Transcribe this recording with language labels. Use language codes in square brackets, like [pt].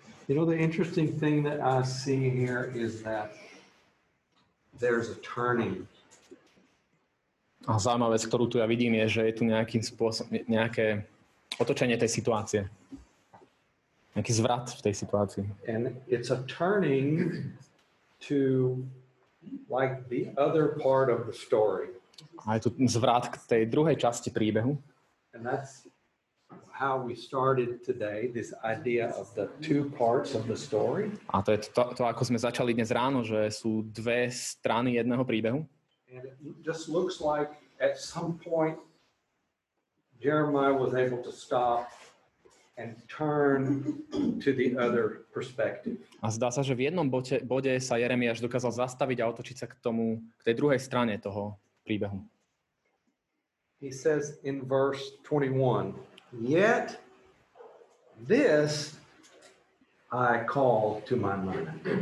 [en] You know, the interesting thing that I see here is that there's a turning. [sk] A zaujímavá vec, ktorú tu ja vidím, je, že je tu nejakým spôsobom, nejaké otočenie tej situácie. Nejaký zvrat v tej situácii. [en] And it's a turning to like the other part of the story. [sk] A je tu zvrat k tej druhej časti príbehu. [en] And that's how we started today, this idea of the two parts of the story. [sk] A to je to, ako sme začali dnes ráno, že sú dve strany jedného príbehu. [en] And it just looks like at some point Jeremiah was able to stop and turn to the other perspective. [sk] A zdá sa, že v jednom bode sa Jeremiáš dokázal zastaviť a otočiť sa k tomu, k tej druhej strane toho príbehu. [en] He says in verse 21, yet this I call to my mind.